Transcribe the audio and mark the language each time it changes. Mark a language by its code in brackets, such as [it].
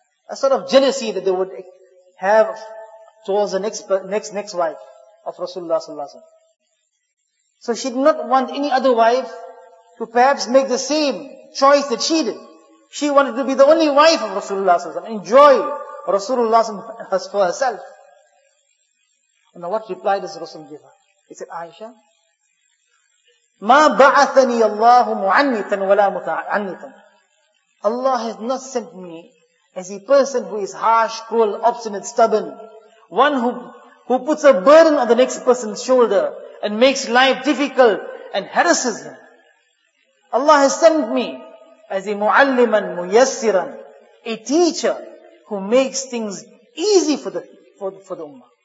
[en] A sort of jealousy that they would have towards the next wife of Rasulullah. So she did not want any other wife to perhaps make the same choice that she did. She wanted to be the only wife of Rasulullah, enjoy Rasulullah for herself. And now what reply does Rasul give her? He said, [ar] Aisha, مَا بَعَثَنِي اللَّهُ مُعَنِّتًا وَلَا مُتَعَنِّتًا. [en] Allah has not sent me as a person who is harsh, cruel, obstinate, stubborn, one who puts a burden on the next person's shoulder and makes life difficult and harasses him. Allah has sent me as a mu'alliman muyassiran, a teacher who makes things easy for the ummah.